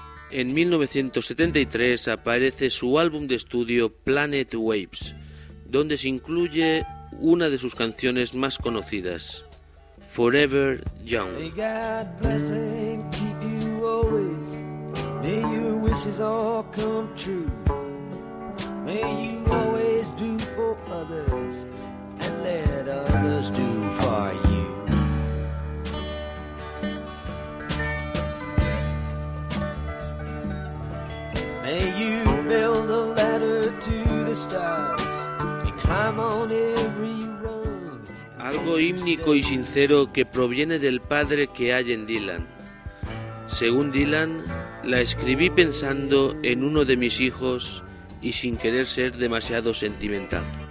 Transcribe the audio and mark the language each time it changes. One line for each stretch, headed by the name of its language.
Spanish: En 1973 aparece su álbum de estudio Planet Waves, donde se incluye una de sus canciones más conocidas, Forever Young.
English: May God bless and keep you always. May your wishes all come true. May you always do for others and let others do for you. May you build a ladder to the stars and climb on every rung.
Spanish: Algo hímnico y sincero que proviene del padre que hay en Dylan. Según Dylan, la escribí pensando en uno de mis hijos y sin querer ser demasiado sentimental.